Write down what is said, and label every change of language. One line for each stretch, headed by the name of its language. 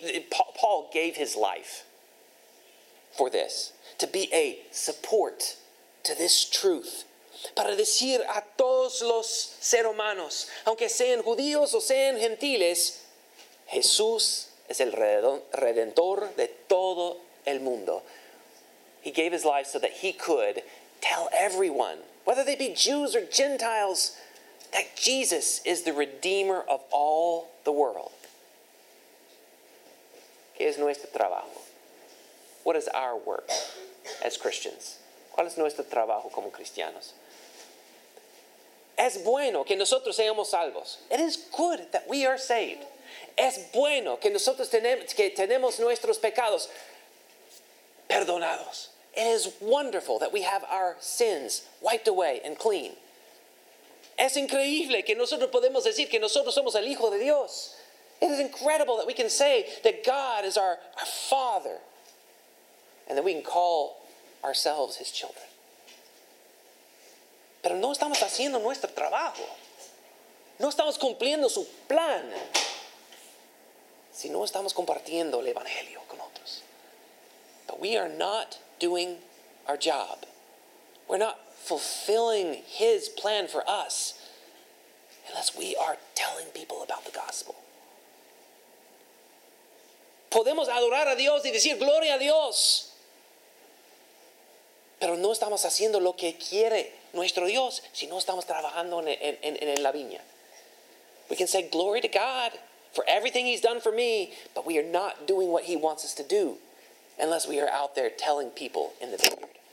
English: Paul gave his life for this, to be a support to this truth.
Spanish: Para decir a todos los seres humanos, aunque sean judíos o sean gentiles, Jesús es el redentor de todo el mundo.
English: He gave his life so that he could tell everyone, whether they be Jews or Gentiles, that Jesus is the redeemer of all the world.
Spanish: ¿Qué es nuestro trabajo?
English: What is our work as Christians?
Spanish: ¿Cuál es nuestro trabajo como cristianos? Es bueno que nosotros seamos salvos.
English: It is good that we are saved.
Spanish: Es bueno que nosotros tenemos nuestros pecados perdonados.
English: It is wonderful that we have our sins wiped away and clean.
Spanish: Es increíble que nosotros podemos decir que nosotros somos el Hijo de Dios.
English: It is incredible that we can say that God is our Father and that we can call ourselves His children.
Spanish: Pero no estamos haciendo nuestro trabajo. No estamos cumpliendo su plan. Si no estamos compartiendo el Evangelio con otros.
English: But we are not doing our job. We're not fulfilling His plan for us unless we are telling people about the gospel.
Spanish: Podemos adorar a Dios y decir gloria a Dios. Pero no estamos haciendo lo que quiere nuestro Dios si no estamos trabajando en la viña.
English: We can say glory to God for everything He's done for me, but we are not doing what He wants us to do unless we are out there telling people in the vineyard.